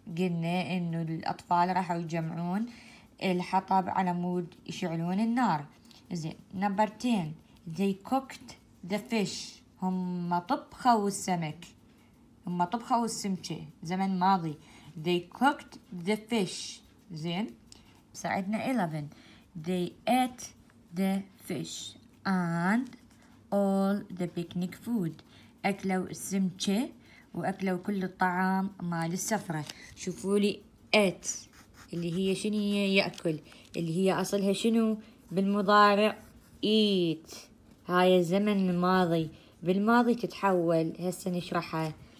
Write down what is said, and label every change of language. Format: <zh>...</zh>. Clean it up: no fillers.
<ar>قلنا إنه الأطفال راحوا يجمعون الحطب على مود يشعلون النار. زين</ar> <en>Number 10. They cooked the fish.</en> <ar>هم طبخوا السمكة زمن ماضي.</ar> <en>They cooked the fish.</en> <ar>زين ساعدنا</ar> <en>11. They ate the fish and all the picnic food.</en> <ar>أكلوا السمكة وأكلوا كل الطعام مال السفرة. شوفوا لي ate اللي هي شنو هي يأكل اللي هي أصلها شنو بالمضارع eat. هاي الزمن الماضي بالماضي تتحول هسه نشرحها.</ar>